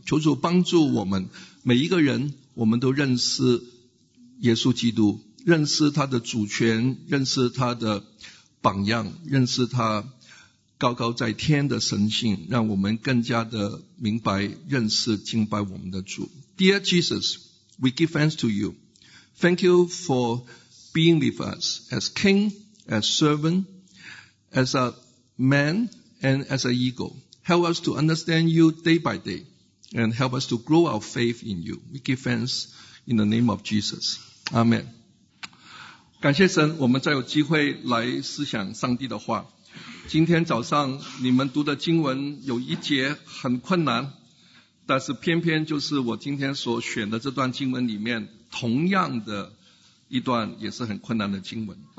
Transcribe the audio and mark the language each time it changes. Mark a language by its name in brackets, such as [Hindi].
[Chinese] 求主帮助我们，每一个人，我们都认识耶稣基督，认识他的主权，认识他的榜样，认识他高高在天的神性，让我们更加的明白认识敬拜我们的主。 [English] Dear Jesus, we give thanks to you. Thank you for being with us as king, as servant, as a man, and as an eagle. Help us to understand you day by day, and help us to grow our faith in you. We give thanks in the name of Jesus. Amen. [Chinese] 感谢神，我们再有机会来思想上帝的话。今天早上你们读的经文有一节很困难，但是偏偏就是我今天所选的这段经文里面同样的一段也是很困难的经文。